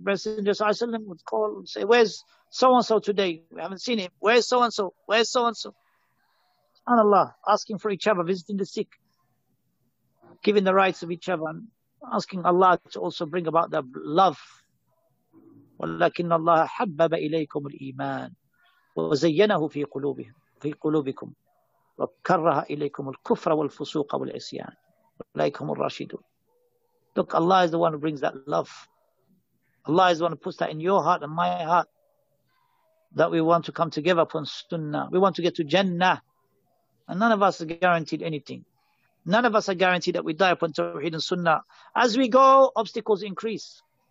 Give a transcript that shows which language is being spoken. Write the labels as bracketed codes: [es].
[en] Messenger ﷺ would call and say, where's so-and-so today? We haven't seen him. Where's so-and-so? Where's so-and-so? SubhanAllah, asking for each other, visiting the sick, giving the rights of each other and asking Allah to also bring about the love. [ar] ولكن الله حبب إليكم الإيمان وزينه في قلوبهم في قلوبكم وكره إليكم الكفر والفسوق والعصيان وليكم الراشدون. [en] Look, Allah is the one who brings that love. Allah is the one who puts that in your heart and my heart, that we want to come together upon sunnah. We want to get to Jannah. And none of us are guaranteed anything. None of us are guaranteed that we die upon Tawheed and Sunnah. As we go, obstacles increase.